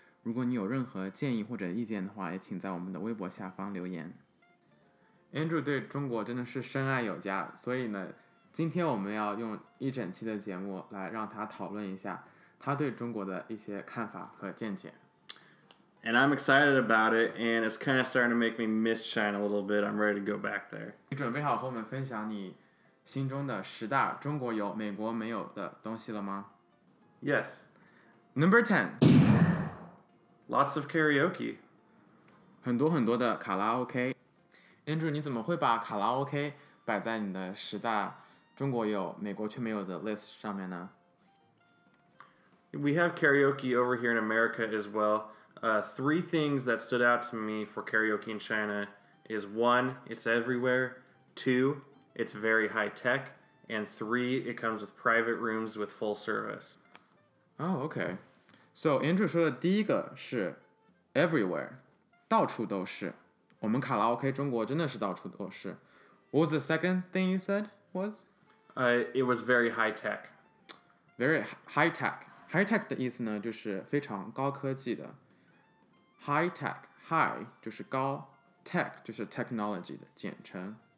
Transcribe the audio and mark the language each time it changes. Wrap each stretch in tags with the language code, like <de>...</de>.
<zh>如果你有任何建议或者意见的话，也请在我们的微博下方留言。 Andrew 对中国真的是深爱有加，所以呢，今天我们要用一整期的节目来让他讨论一下他对中国的一些看法和见解。</zh> <en>And I'm excited about it, and it's kind of starting to make me miss China a little bit. I'm ready to go back there.</en> <zh>你准备好和我们分享你心中的十大中国有美国没有的东西了吗？</zh> <en>Yes. Number 10. Lots of karaoke.</en> <zh>很多很多的卡拉 OK. Andrew, 你怎么会把卡拉 OK 摆在你的十大中国有美国却没有的 list 上面呢？</zh> <en>We have karaoke over here in America as well. Three things that stood out to me for karaoke in China is one, it's everywhere, two, it's very high tech, and three, it comes with private rooms with full service. Oh, okay. So</en> <zh>Andrew 说的第一个是 everywhere, 到处都是。我们卡拉 OK 中国真的是到处都是。</zh> <en>What was the second thing you said was? It was very high tech. Very high tech.</en> <zh>High tech 的意思呢就是非常高科技的。 High tech, high 就是高 ,tech 就是 technology 的简称。</zh>